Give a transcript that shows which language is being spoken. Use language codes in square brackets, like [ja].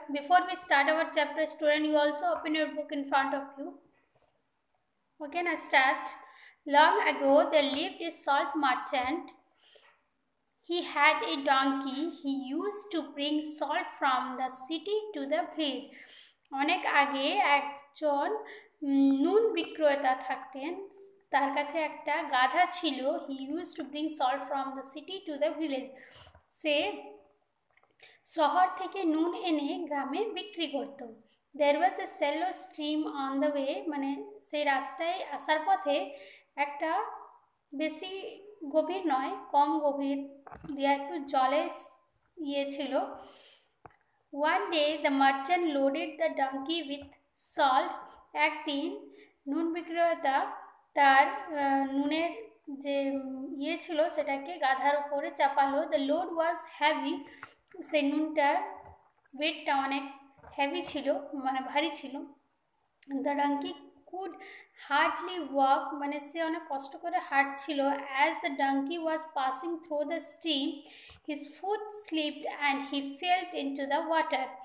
[en] Before we start our chapter, student, you also open your book in front of you. Okay, now start. Long ago there lived a salt merchant. He had a donkey. He used to bring salt from the city to the place. [bn] অনেক আগে একজন নুন বিক্রেতা থাকতেন, তার কাছে একটা গাধা ছিল. [en] He used to bring salt from the city to the village. [bn] সে শহর থেকে নুন এনে গ্রামে বিক্রি করত. [en] There was a shallow stream on the way. [bn] মানে সেই রাস্তায় আসার পথে একটা বেশি গভীর নয়, কম গভীর দিয়ে একটু জলে ইয়ে ছিল. [en] One day the merchant loaded the donkey with salt. [bn] একদিন নুন বিক্রেতা তার নুনের যে ইয়ে ছিল সেটাকে গাধার উপরে চাপালো. [en] The load was heavy. [bn] সেই নুনটার ওয়েটটা অনেক হ্যাভি ছিল, মানে ভারী ছিল. [en] the donkey could hardly walk, [bn] মানে সে অনেক কষ্ট করে হাঁটছিল. [en] As the donkey was passing through the stream, his foot slipped and he fell into the water.